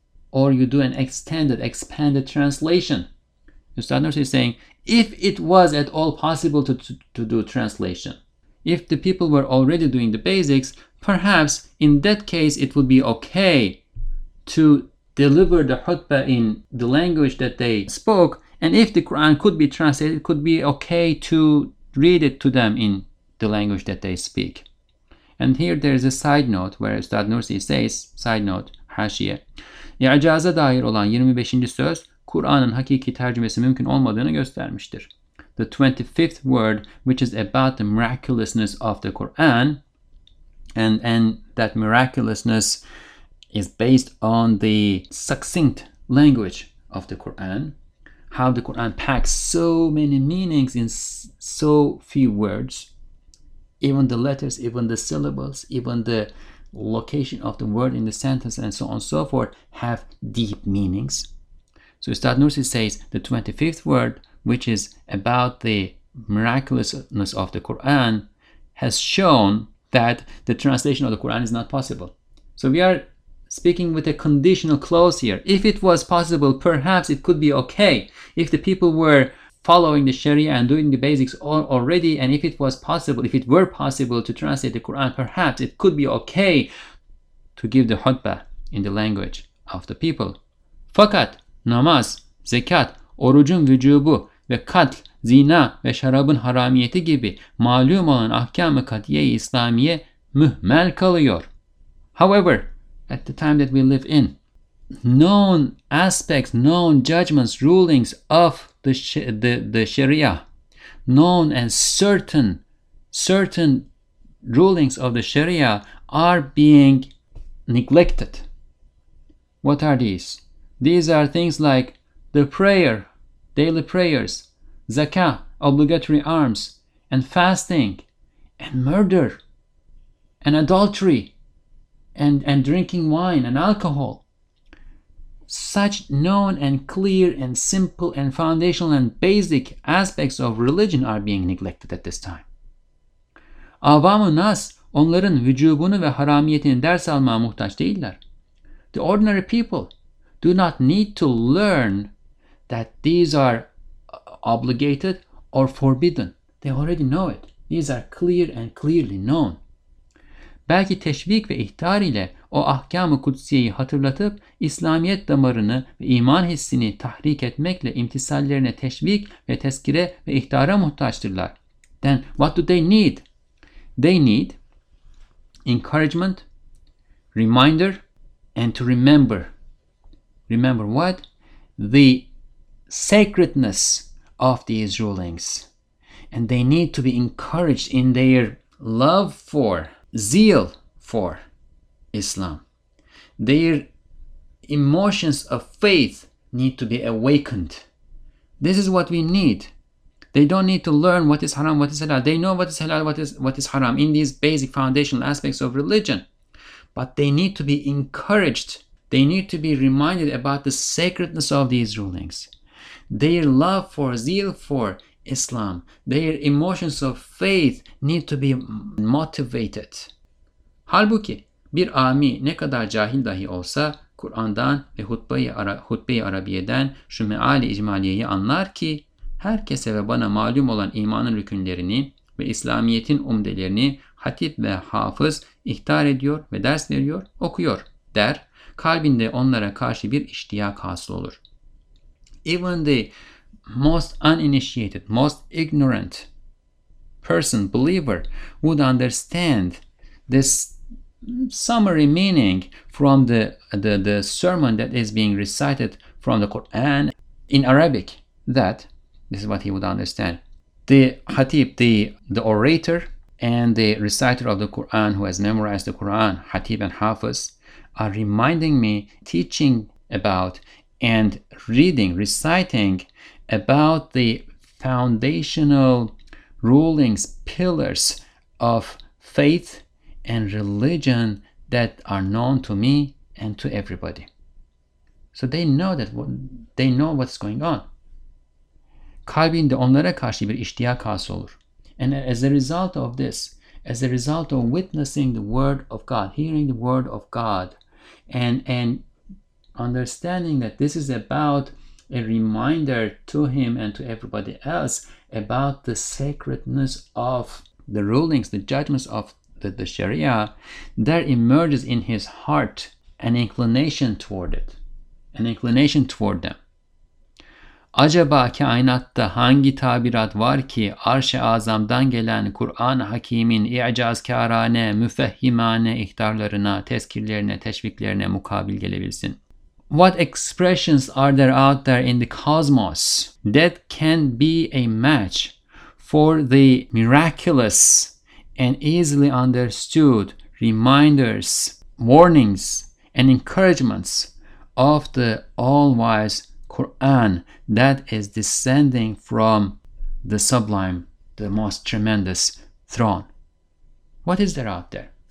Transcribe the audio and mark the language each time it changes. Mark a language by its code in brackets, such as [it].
[en] Or you do an expanded translation. Ustad Nursi is saying, if it was at all possible to do translation, if the people were already doing the basics, perhaps in that case it would be okay to deliver the khutbah in the language that they spoke, and if the Quran could be translated, it could be okay to read it to them in the language that they speak. And here there is a side note where Ustad Nursi says, side note, [tr] hashiye, i'caza dair olan 25. söz, Kur'an'ın hakiki tercümesi mümkün olmadığını göstermiştir. [en] The 25th word, which is about the miraculousness of the Quran, and that miraculousness is based on the succinct language of the Quran, how the Quran packs so many meanings in so few words, even the letters, even the syllables, even the location of the word in the sentence, and so on and so forth, have deep meanings. So Ustad Nursi says the 25th word, which is about the miraculousness of the Quran, has shown that the translation of the Quran is not possible. So we are speaking with a conditional clause here. If it was possible, perhaps it could be okay. If the people were following the Sharia and doing the basics already, and if it was possible, if it were possible to translate the Quran, perhaps it could be okay to give the khutbah in the language of the people. [tr] Fakat namaz, zekat, orucun vücubu ve katl, zina ve şarabın haramiyeti gibi malum olan ahkam-ı katiye-i İslamiye mühmel kalıyor. [en] However, at the time that we live in, known aspects, known judgments, rulings of the Sharia, known and certain rulings of the Sharia are being neglected. What are these? These are things like the prayer, daily prayers, zakah, obligatory arms, and fasting, and murder, and adultery, and drinking wine and alcohol. Such known and clear and simple and foundational and basic aspects of religion are being neglected at this time. [tr] Avam-ı nas, onların vücubunu ve haramiyetini ders almaya muhtaç değiller. [en] The ordinary people do not need to learn that these are obligated or forbidden. They already know it. These are clear and clearly known. [tr] Belki teşvik ve ihtar ile o ahkam-ı kutsiyeyi hatırlatıp İslamiyet damarını ve iman hissini tahrik etmekle imtisallerine teşvik ve tezkire ve ihtara muhtaçtırlar. [en] Then what do they need? They need encouragement, reminder, and to remember. Remember what? The sacredness of these rulings. And they need to be encouraged in their love for, zeal for Islam. Their emotions of faith need to be awakened. This is what we need. They don't need to learn what is haram, what is halal. They know what is halal, what is haram in these basic foundational aspects of religion. But they need to be encouraged. They need to be reminded about the sacredness of these rulings. Their love for, zeal for Islam, their emotions of faith need to be motivated. [tr] Halbuki bir âmi ne kadar cahil dahi olsa Kur'an'dan ve hutbe-i Arabiye'den şu meali icmaliyeyi anlar ki herkese ve bana malum olan imanın rükünlerini ve İslamiyet'in umdelerini hatip ve hafız ihtar ediyor ve ders veriyor, okuyor der. Kalbinde onlara karşı bir iştiyak hasıl olur. [en] Even the most uninitiated, most ignorant person, believer, would understand this summary meaning from the sermon that is being recited from the Quran in Arabic. That, this is what he would understand. The hatib, the orator and the reciter of the Quran who has memorized the Quran, hatib and hafiz, are reminding me, teaching about and reading, reciting about the foundational rulings, pillars of faith and religion that are known to me and to everybody. So they know that, they know what's going on. [tr] Kalbinde onlara karşı bir iştiyak hasıl olur. [en] And as a result of this, as a result of witnessing the word of God, hearing the word of God, and understanding that this is about a reminder to him and to everybody else about the sacredness of the rulings, the judgments of the Sharia, there emerges in his heart an inclination toward it, an inclination toward them. [tr] Acaba kainatta hangi tabirat var ki Arş-ı Azam'dan gelen Kur'an-ı Hakîm'in i'cazkârâne, müfehhimâne ihtarlarına, tezkirlerine, teşviklerine mukabil gelebilsin? [en] What expressions are there out there in the cosmos that can be a match for the miraculous and easily understood reminders, warnings, and encouragements of the all-wise Quran that is descending from the sublime, the most tremendous throne? What is there out there?